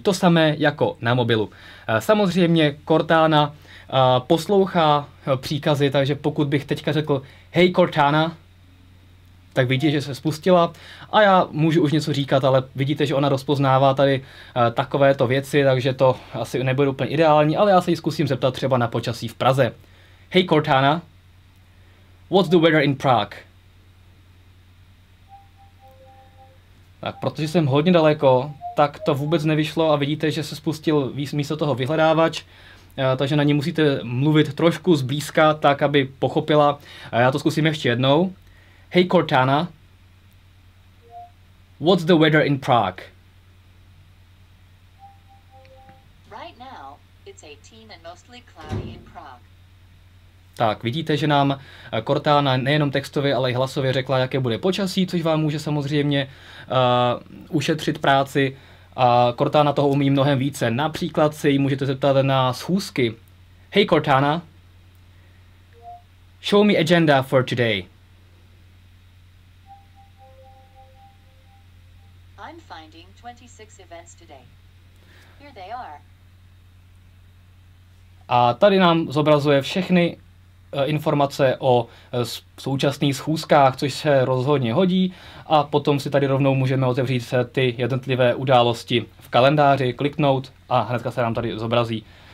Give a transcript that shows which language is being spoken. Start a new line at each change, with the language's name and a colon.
Czech: To samé jako na mobilu. Samozřejmě Cortana poslouchá příkazy, takže pokud bych teďka řekl hej Cortana, tak vidíte, že se spustila a já můžu už něco říkat, ale vidíte, že ona rozpoznává tady takovéto věci, takže to asi nebude úplně ideální, ale já se jí zkusím zeptat třeba na počasí v Praze.
English: Hey Cortana, what's the weather in Prague?
Czech: Tak protože jsem hodně daleko, tak to vůbec nevyšlo a vidíte, že se spustil místo toho vyhledávač. Takže na ní musíte mluvit trošku zblízka, tak aby pochopila. A já to zkusím ještě jednou.
English: Hey Cortana, what's the weather in Prague? Right now, it's 18 and mostly cloudy in Prague.
Czech: Tak, vidíte, že nám Cortana nejenom textově, ale i hlasově řekla, jaké bude počasí, což vám může samozřejmě ušetřit práci. A Cortana toho umí mnohem více. Například se jí můžete zeptat na schůzky.
English: Hey Cortana, show me agenda for today. I'm finding 26 events today. Here they are.
Czech: A tady nám zobrazuje všechny informace o současných schůzkách, což se rozhodně hodí, a potom si tady rovnou můžeme otevřít se ty jednotlivé události v kalendáři, kliknout a hnedka se nám tady zobrazí.